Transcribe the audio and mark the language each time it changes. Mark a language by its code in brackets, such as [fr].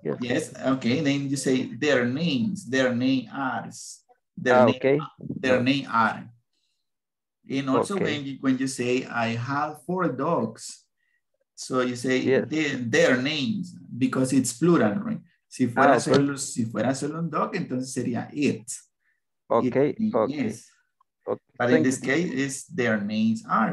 [en] Yes. Okay. Then you say their names, their name are. And also okay. when you say, I have four dogs. So you say their names, because it's plural, right? [es] Si fuera, solo un dog, entonces sería it. [en] Okay. Yes. Okay. But in this case, is their names are.